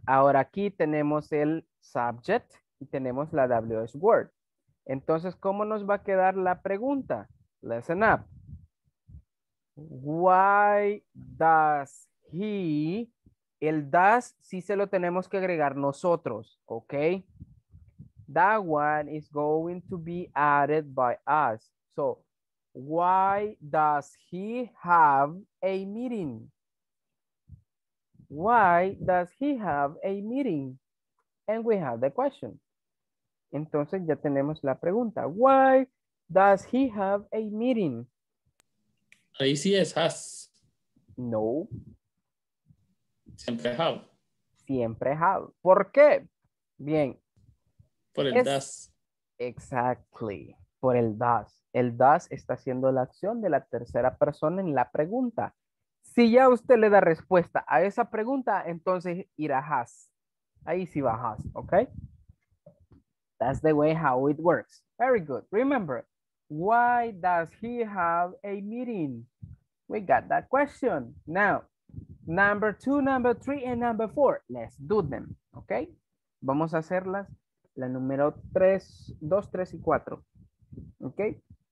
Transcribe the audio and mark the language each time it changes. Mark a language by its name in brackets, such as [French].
[Spanish] Ahora aquí tenemos el subject y tenemos la WS word. Entonces, ¿cómo nos va a quedar la pregunta? [English] Listen up. Why does he? [Spanish] El does sí se lo tenemos que agregar nosotros. Ok. [English] That one is going to be added by us. So, why does he have a meeting? Why does he have a meeting? And we have the question. [Spanish] Entonces ya tenemos la pregunta. [English] Why does he have a meeting? [Spanish] Ahí sí es has. No. Siempre have. Siempre have. ¿Por qué? Bien. Por el does. Exactly. Por el does. El does está haciendo la acción de la tercera persona en la pregunta. Si ya usted le da respuesta a esa pregunta, entonces irá has. Ahí sí va has, [English] ¿ok? That's the way how it works. Very good. Remember, why does he have a meeting? We got that question. Now, number two, number three, and number four. Let's do them, ¿ok? [Spanish] Vamos a hacerlas la número tres, dos, tres y cuatro, ¿ok?